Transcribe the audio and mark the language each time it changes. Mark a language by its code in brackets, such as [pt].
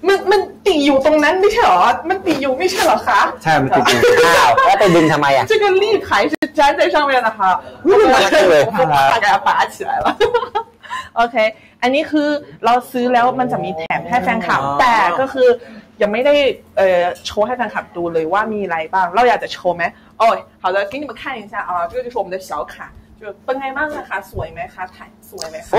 [th] มันติดอยู่ตรงนั้นไม่ใช่หรอ？มันติดอยู่ไม่ใช่หรอคะ？ ใช่มันติดอยู่ข้าวแล้วไปดึงทำไมอ่ะ？ [zh] 这个立牌是粘在上面的哈。太好笑了。我把它拔起来了。 [th] OK， อันนี้คือเราซื้อแล้วมันจะมีแถมให้แฟนคลับแต่ก็คือยังไม่ได้โชว์ให้แฟนคลับดูเลยว่ามีอะไรบ้างเราอยากจะโชว์ไหมโอ้ย [zh] 好的给你们看一下啊这个就是我们的小卡就 [th] เป็นไงบ้างนะคะสวยไหมคะถ่ายสวยไหมคะ